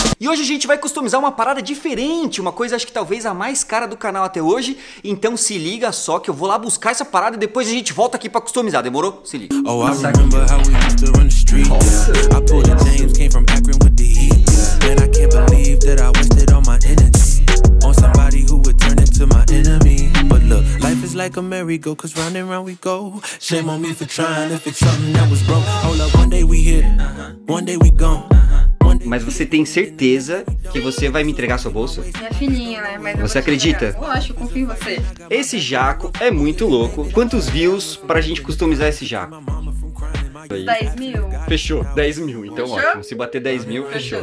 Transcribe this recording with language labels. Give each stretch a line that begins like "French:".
Portuguese: Hoje a gente vai customizar uma parada diferente, uma coisa acho que talvez a mais cara do canal até hoje. Então se liga só que eu vou lá buscar essa parada e depois a gente volta aqui pra customizar, demorou? Se liga.
English: Oh, I remember how we used to run the street. I pulled a James, came from Akron with the heat. Man, I can't believe that I wasted all my energy on somebody who would turn into my enemy. But look, life is like a merry-go, cause round and round we go. Shame on me for trying, if it's something that was broke. Hold up, one day we hit, one day we gone.
Portuguese: Mas você tem certeza que você vai me entregar sua bolsa? Minha filhinha, né? Mas você acredita? Eu acho, eu confio em você. Esse jaco é muito louco. Quantos views pra gente customizar esse jaco? 10 mil. Fechou, 10 mil. Então, ótimo. Se bater 10 mil, fechou.